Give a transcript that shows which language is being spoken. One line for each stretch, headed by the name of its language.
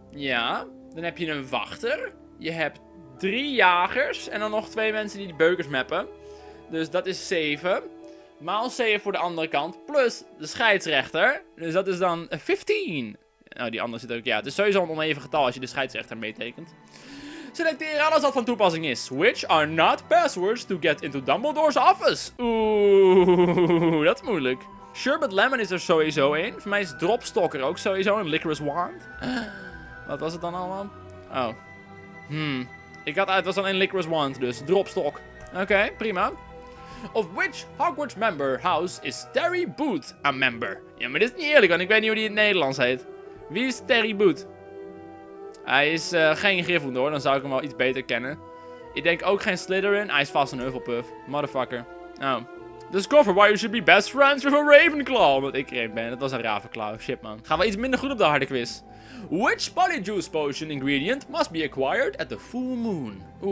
Dutch: Ja. Dan heb je een wachter. Je hebt drie jagers. En dan nog twee mensen die de beukers mappen. Dus dat is 7. Maal 7 voor de andere kant. Plus de scheidsrechter. Dus dat is dan 15. Nou, die andere zit ook. Ja, het is sowieso een oneven getal als je de scheidsrechter meetekent. Selecteer alles wat van toepassing is.
English: Which are not passwords to get into Dumbledore's office?
Dutch: Oeh, dat is moeilijk. Sherbet Lemon is er sowieso een. Voor mij is Dropstalker ook sowieso een. Licorice Wand. Wat was het dan allemaal? Oh. Ik had het was dan een Licorice Wand, dus Dropstalk. Oké, prima.
English: Of which Hogwarts member house is Terry Boot a member?
Dutch: Ja, maar dit is niet eerlijk, want ik weet niet hoe die in het Nederlands heet. Wie is Terry Boot? Hij is geen Gryffindor, dan zou ik hem wel iets beter kennen. Ik denk ook geen Slytherin, hij is vast een Hufflepuff.
English: Motherfucker. Oh. Discover why you should be best friends with a Ravenclaw.
Dutch: Omdat ik er een ben, dat was een Ravenclaw. Shit man. Gaan we iets minder goed op de harde quiz.
English: Which Polyjuice Potion ingredient must be acquired at the full moon?